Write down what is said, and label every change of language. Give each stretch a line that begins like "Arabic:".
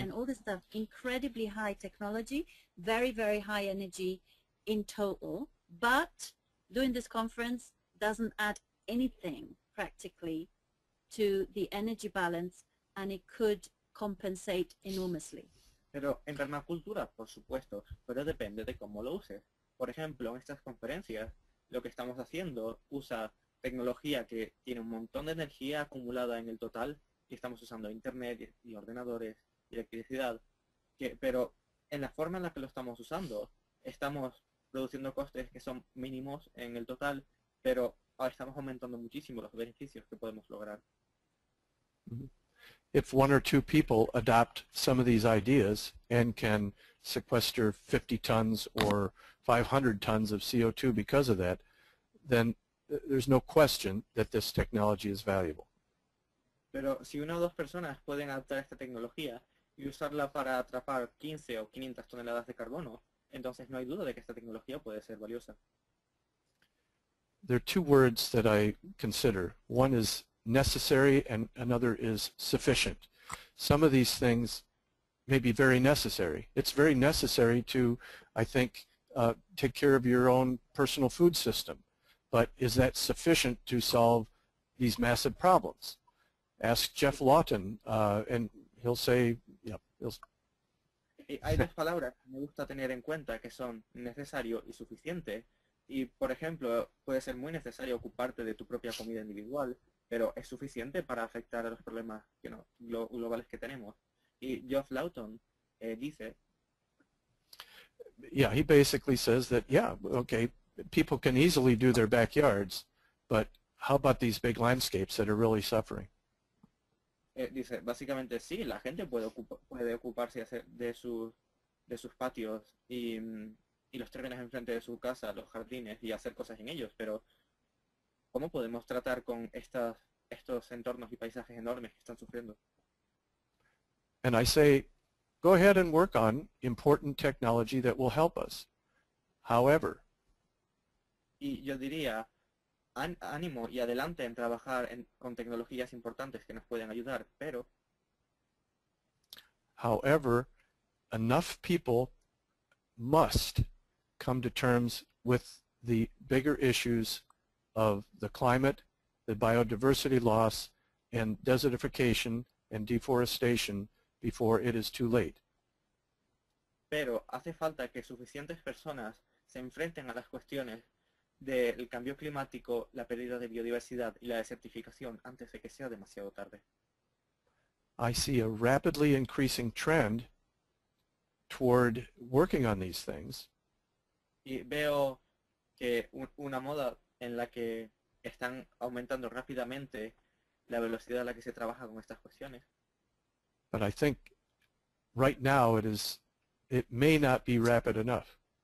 English: and all this stuff, incredibly high technology, very, very high energy in total, but doing this conference doesn't add anything practically to the energy balance, and it could compensate enormously.
Spanish: Pero en permacultura, por supuesto, pero depende de cómo lo uses. Por ejemplo, en estas conferencias, lo que estamos haciendo usa tecnología que tiene un montón de energía acumulada en el total, y estamos usando internet y ordenadores y electricidad, pero en la forma en la que lo estamos usando, estamos produciendo costes que son mínimos en el total, pero ahora estamos aumentando muchísimo los beneficios que podemos lograr.
English: If one or two people adopt some of these ideas and can sequester 50 tons or 500 tons of CO2 because of that, then there's no question that this technology is valuable.
Spanish: Pero si una o dos personas pueden adaptar esta tecnología y usarla para atrapar 15 o 500 toneladas de carbono, entonces no hay duda de que esta tecnología puede ser valiosa.
English: There are two words that I consider. One is necessary and another is sufficient. Some of these things may be very necessary. It's very necessary to, I think, take care of your own personal food system. But is that sufficient to solve these massive problems? Ask Jeff Lawton, and he'll say,
Spanish: Hay dos palabras que me gusta tener en cuenta que son necesario y suficiente. Y, por ejemplo, puede ser muy necesario ocuparte de tu propia comida individual, pero es suficiente para afectar a los problemas globales que tenemos. Y Jeff Lawton dice...
English: Yeah, he basically says that, people can easily do their backyards, but how about these big landscapes that are really suffering?
Spanish: Dice, básicamente, sí, la gente puede ocuparse de sus patios y los terrenos enfrente de su casa, los jardines, y hacer cosas en ellos, pero ¿cómo podemos tratar con estos entornos y paisajes enormes que están sufriendo?
English: And I say, go ahead and work on important technology that will help us. However,
Spanish: y yo diría, ánimo y adelante en trabajar con tecnologías importantes que nos pueden ayudar, pero...
English: However, enough people must come to terms with the bigger issues of the climate, the biodiversity loss, and desertification and deforestation before it is too late.
Spanish: Pero hace falta que suficientes personas se enfrenten a las cuestiones del cambio climático, la pérdida de biodiversidad y la desertificación antes de que sea demasiado tarde.
English: I see a rapidly increasing trend toward working on these things.
Spanish: Y veo que una moda en la que están aumentando rápidamente la velocidad a la que se trabaja con estas cuestiones.
English: But I think right now it may not be rapid enough.